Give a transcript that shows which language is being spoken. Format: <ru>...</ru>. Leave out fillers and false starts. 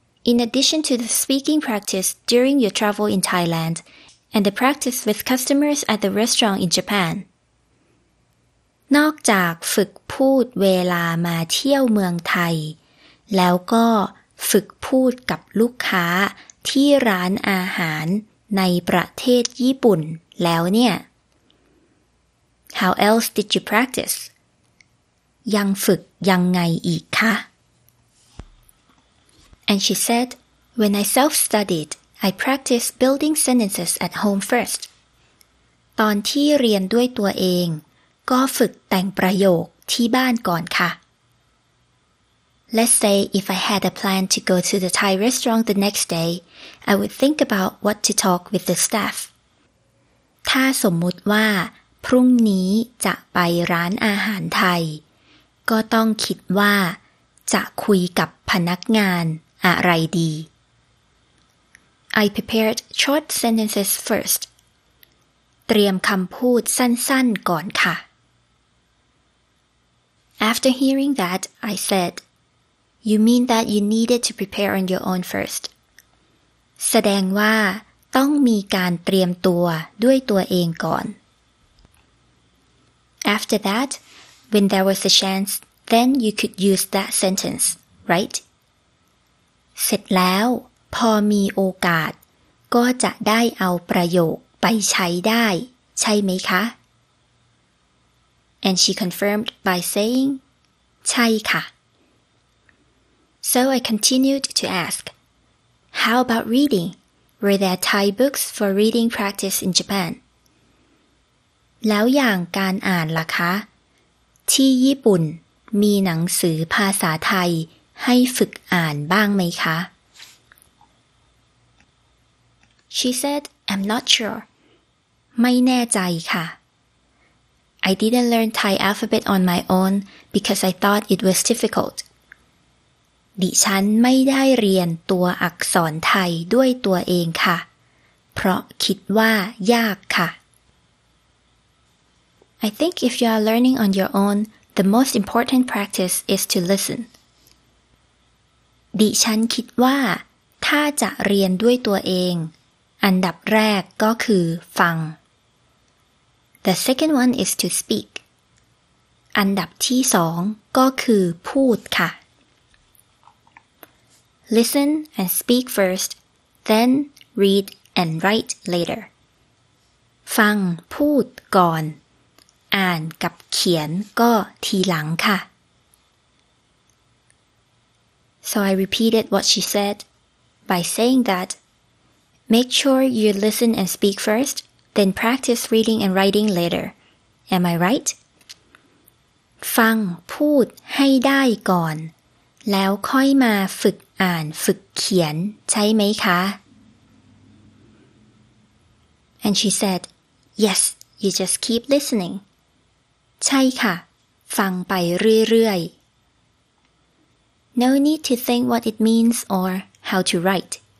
<en>In addition to the speaking practice during your travel in Thailand and the practice with customers at the restaurant in Japan,</en> <th>นอกจากฝึกพูดเวลามาเที่ยวเมืองไทยแล้วก็ฝึกพูดกับลูกค้าที่ร้านอาหารในประเทศญี่ปุ่นแล้วเนี่ย</th> <en>How else did you practice?</en> <th>ยังฝึกยังไงอีกคะ</th> <en>And she said, When I self-studied, I practiced building sentences at home first.</en> <th>ตอนที่เรียนด้วยตัวเองก็ฝึกแต่งประโยคที่บ้านก่อนค่ะ</th> <en>Let's say if I had a plan to go to the Thai restaurant the next day, I would think about what to talk with the staff.</en> <th>ถ้าสมมุติว่าพรุ่งนี้จะไปร้านอาหารไทยก็ต้องคิดว่าจะคุยกับพนักงานอะไรดี</th> <en>I prepared short sentences first.</en> <th>เตรียมคำพูดสั้นๆก่อนค่ะ</th> <en>After hearing that, I said, You mean that you needed to prepare on your own first?</en> <th>แสดงว่าต้องมีการเตรียมตัวด้วยตัวเองก่อน</th> <en>After that, when there was a chance, then you could use that sentence, right?</en> <th>เสร็จแล้วพอมีโอกาสก็จะได้เอาประโยคไปใช้ได้ใช่ไหมคะ</th> <en>And she confirmed by saying,</en> <th>ใช่ค่ะ</th> <en>So I continued to ask, How about reading? Were there Thai books for reading practice in Japan?</en> <th>แล้วอย่างการอ่านล่ะคะที่ญี่ปุ่นมีหนังสือภาษาไทยให้ฝึกอ่านบ้างไหมคะ</th> <en>She said, I'm not sure.</en> <th>ไม่แน่ใจค่ะ</th> <en>I didn't learn Thai alphabet on my own because I thought it was difficult.</en> <th>ดิฉันไม่ได้เรียนตัวอักษรไทยด้วยตัวเองค่ะเพราะคิดว่ายากค่ะ</th> <en>I think if you are learning on your own, the most important practice is to listen.</en> <th>ดิฉันคิดว่าถ้าจะเรียนด้วยตัวเองอันดับแรกก็คือฟัง</th> <en>The second one is to speak.</en> <th>อันดับที่สองก็คือพูดค่ะ</th> <en>Listen and speak first, then read and write later.</en> <th>ฟังพูดก่อนอ่านกับเขียนก็ทีหลังค่ะ</th> <en>So I repeated what she said by saying that Make sure you listen and speak first, then practice reading and writing later. Am I right?</en> <th>ฟังพูดให้ได้ก่อนแล้วค่อยมาฝึกอ่านฝึกเขียนใช่ไหมคะ</th> <en>And she said, Yes, you just keep listening.</en> <th>ใช่ค่ะฟังไปเรื่อยๆ</th> <en>No need to think what it means or how to write.</en>